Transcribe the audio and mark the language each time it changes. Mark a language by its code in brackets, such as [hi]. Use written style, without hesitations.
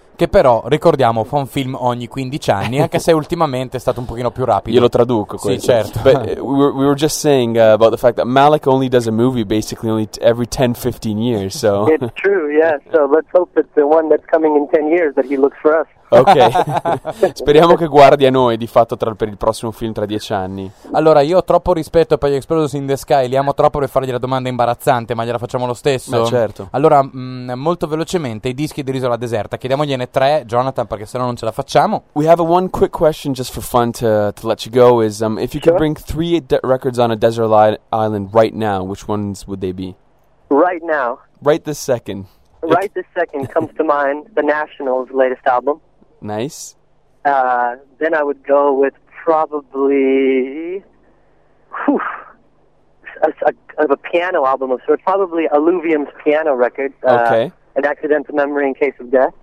[it] Che però, ricordiamo, fa un film ogni 15 anni, anche se ultimamente è stato un pochino più rapido. Io lo traduco questo. Sì, certo. [en] But we were just saying about the fact that Malick only does a movie basically only every 10-15 years, so... It's true, yeah, so let's hope it's the one that's coming in 10 years that he looks for us. [it] Ok, speriamo che guardi a noi, di fatto, per il prossimo film tra 10 anni. Allora, io ho troppo rispetto per gli Explosions in the Sky, li amo troppo per fargli la domanda imbarazzante, ma gliela facciamo lo stesso. Beh, certo. Allora, molto velocemente, i dischi di L'Isola Deserta, chiediamogliene tre, Jonathan, perché sennò non ce la facciamo. [en] We have one quick question just for fun to let you go, is if you could bring three records on a desert island right now, which ones would they be? Right now. Right this second. Right this second comes to mind The National's latest album. Nice. Then I would go with probably a piano album of sorts, probably Alluvium's piano record, An Accidental Memory in Case of Death.